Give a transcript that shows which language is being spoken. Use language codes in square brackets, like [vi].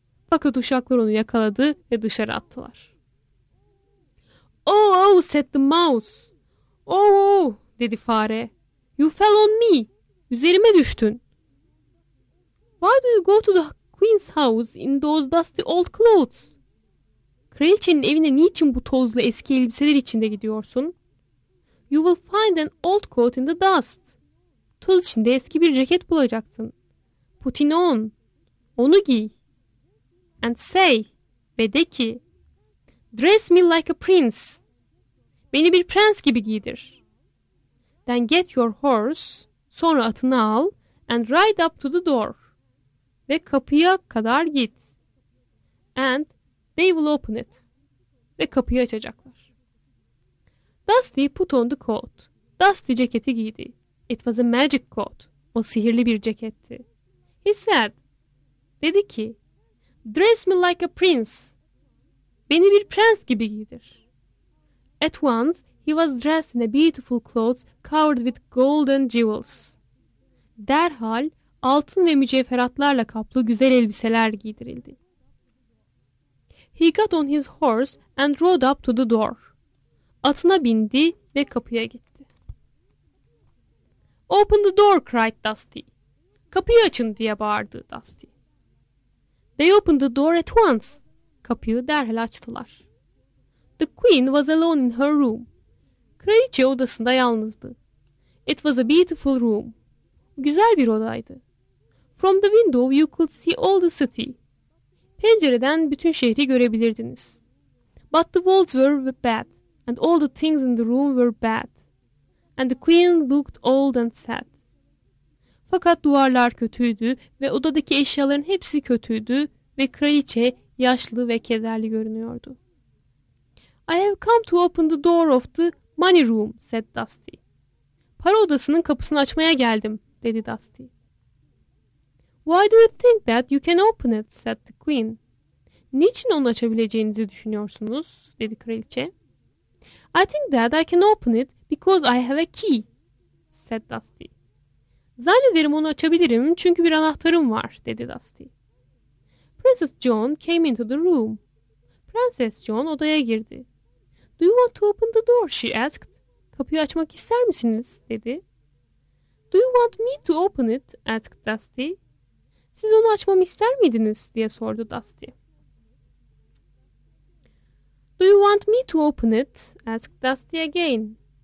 [tr] Fakat uşaklar onu yakaladı ve dışarı attılar. [en] Oh, oh, said the mouse. [tr] Oh, oh, dedi fare. [en] You fell on me. [tr] Üzerime düştün. [en] Why do you go to the queen's house in those dusty old clothes? [tr] Kraliçenin evine niçin bu tozlu eski elbiseler içinde gidiyorsun? [en] You will find an old coat in the dust. [tr] Toz içinde eski bir ceket bulacaksın. [en] Put it on. [tr] Onu giy. [en] And say, [tr] ve de ki, [en] dress me like a prince. [tr] Beni bir prens gibi giydir. [en] Then get your horse, [tr] sonra atını al, [en] and ride up to the door. [tr] Ve kapıya kadar git. [en] And they will open it. [tr] Ve kapıyı açacaklar. [en] Dusty put on the coat. [tr] Dusty ceketi giydi. [en] It was a magic coat. [tr] O sihirli bir ceketti. [en] He said, [tr] dedi ki, [en] dress me like a prince. [tr] Beni bir prens gibi giydir. [en] At once he was dressed in a beautiful clothes covered with golden jewels. [tr] Derhal altın ve mücevheratlarla kaplı güzel elbiseler giydirildi. [en] He got on his horse and rode up to the door. [tr] Atına bindi ve kapıya gitti. [en] Open the door, cried Dusty. [tr] Kapıyı açın diye bağırdı Dusty. [en] They opened the door at once. [tr] Kapıyı derhal açtılar. [en] The queen was alone in her room. [tr] Kraliçe odasında yalnızdı. [en] It was a beautiful room. [tr] Güzel bir odaydı. [en] From the window you could see all the city. [tr] Pencereden bütün şehri görebilirdiniz. [en] But the walls were bad and all the things in the room were bad. And the queen looked old and sad. [tr] Fakat duvarlar kötüydü ve odadaki eşyaların hepsi kötüydü ve kraliçe yaşlı ve kederli görünüyordu. [en] I have come to open the door of the money room, said Dusty. [tr] Para odasının kapısını açmaya geldim, dedi Dusty. [en] Why do you think that you can open it, said the queen. [tr] Niçin onu açabileceğinizi düşünüyorsunuz, dedi kraliçe. [en] I think that I can open it because I have a key, said Dusty. [tr] Zannederim onu açabilirim çünkü bir anahtarım var, dedi Dusty. [en] Princess John came into the room. [tr] Princess John odaya girdi. [en] Do you want to open the door, she asked. [tr] Kapıyı açmak ister misiniz, dedi. [en] Do you want me to open it, asked Dusty. [tr] Siz onu açmamı ister miydiniz, diye sordu Dusty. [en] Do you want me to open it, asked Dusty again.